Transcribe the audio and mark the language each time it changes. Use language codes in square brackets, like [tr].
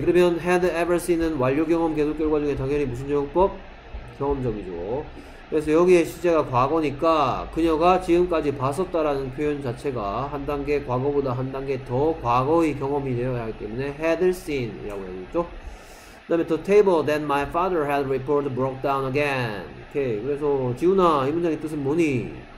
[ko] 그러면 [en] had ever seen [ko] 은 완료 경험 계속 결과 중에 당연히 무슨 적용법? 경험적이죠. 그래서 여기에 시제가 과거니까 그녀가 지금까지 봤었다라는 표현 자체가 한 단계 과거보다 한 단계 더 과거의 경험이 되어야 하기 때문에 [en] had seen [ko] 이라고 해야겠죠. 그다음에 [en] the table that my father had reported broke down again. [ko] 오케이. 그래서 지훈아, 이 문장의 뜻은 뭐니?